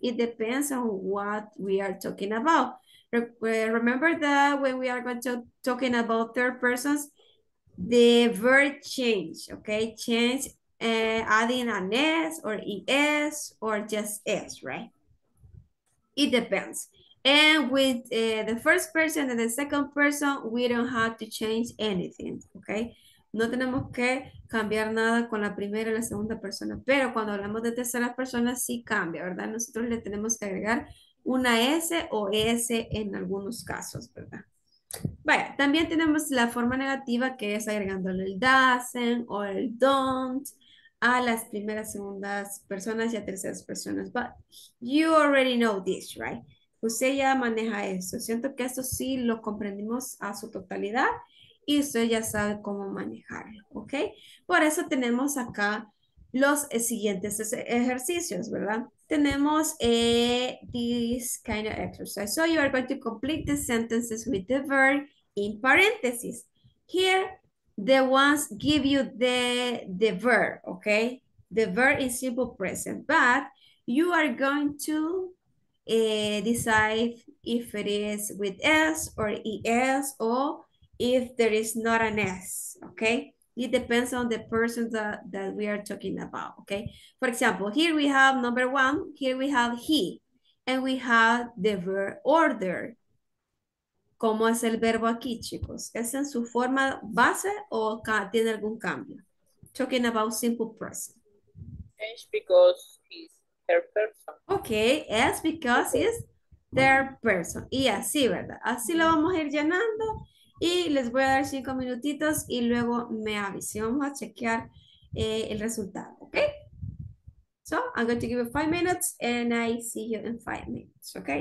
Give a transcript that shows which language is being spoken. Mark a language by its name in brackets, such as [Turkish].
[English] It depends on what we are talking about. Remember that when we are going to talking about third persons, the verb change, okay? Change adding an S or ES or just S, right? It depends. And with the first person and the second person, we don't have to change anything, okay? [Spanish] No tenemos que cambiar nada con la primera y la segunda persona, pero cuando hablamos de terceras personas sí cambia, ¿verdad? Nosotros le tenemos que agregar una S o S en algunos casos, ¿verdad? Vaya, también tenemos la forma negativa que es agregándole el doesn't o el don't a las primeras, segundas personas y a terceras personas. [English] But you already know this, right? [Spanish] Usted ya maneja eso. Siento que esto sí lo comprendimos a su totalidad y usted ya sabe cómo manejarlo, ¿ok? Por eso tenemos acá los siguientes ejercicios, ¿verdad? Tenemos [English] this kind of exercise. So you are going to complete the sentences with the verb in parentheses. Here, the ones give you the verb, okay? The verb is simple present, but you are going to decide if it is with S or ES or if there is not an S, okay? It depends on the person that we are talking about, okay? For example, here we have number one, here we have he, and we have the verb order. [Spanish] ¿Cómo es el verbo aquí, chicos? ¿Es en su forma base o tiene algún cambio? [English] Talking about simple present. Change because he's third person. Okay, es because he's third person. [Spanish] Y así, ¿verdad? Así lo vamos a ir llenando. Y les voy a dar 5 minutitos y luego me avisé. Vamos a chequear el resultado, ¿ok? [English] So, I'm going to give you 5 minutes and I see you in 5 minutes, ¿ok?